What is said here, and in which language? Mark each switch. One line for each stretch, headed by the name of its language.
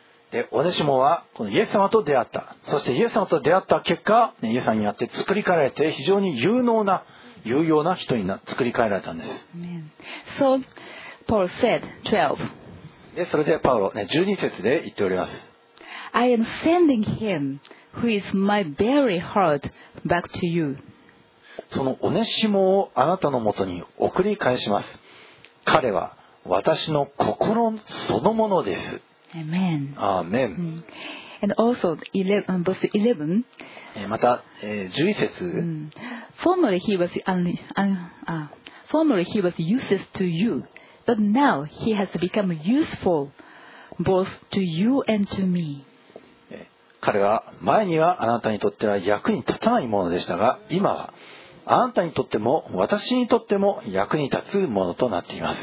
Japanese: で、オネシモはこのイエス様と出会った。そしてイエス様と出会った結果、イエス様によって作り変えられて非常に有能な、有用な人に作り変えられたんです。
English: So Paul said, 12.
Japanese: で、それでパウロ、12節で言っております。
English: I am sending him. Who is my very heart back to you?
Japanese: そのオネシモをあなたのもとに送り返します。彼は私の心そのものです。
English: Amen. Amen. And also, verse 11.
Japanese: また、11節。
English: Formerly he was useless to you, but now he has become useful both to you and to me.
Japanese: 彼は前にはあなたにとっては役に立たないものでしたが、今はあなたにとっても私にとっても役に立つものとなっています。